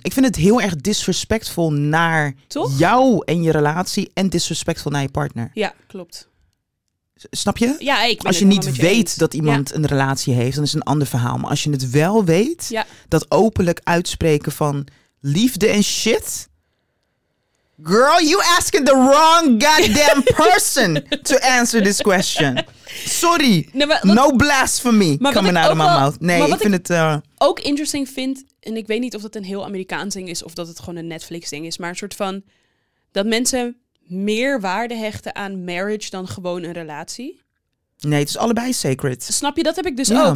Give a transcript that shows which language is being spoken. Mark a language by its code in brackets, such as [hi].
[nl] Ik vind het heel erg disrespectful naar toch? Jou en je relatie en disrespectful naar je partner. Ja, klopt. Snap je? Ja, ik als je niet weet dat iemand een relatie heeft, dan is het een ander verhaal. Maar als je het wel weet, dat openlijk uitspreken van liefde en shit, [en] Girl, you asking the wrong goddamn person to answer this question. Sorry. [nl] Nee, maar, [en] no blasphemy coming out of my mouth. [nl] Nee, maar ook interesting vind, en ik weet niet of dat een heel Amerikaans ding is of dat het gewoon een Netflix ding is, maar een soort van dat mensen meer waarde hechten aan marriage dan gewoon een relatie. Nee, het is allebei sacred. Snap je? Dat heb ik dus ook.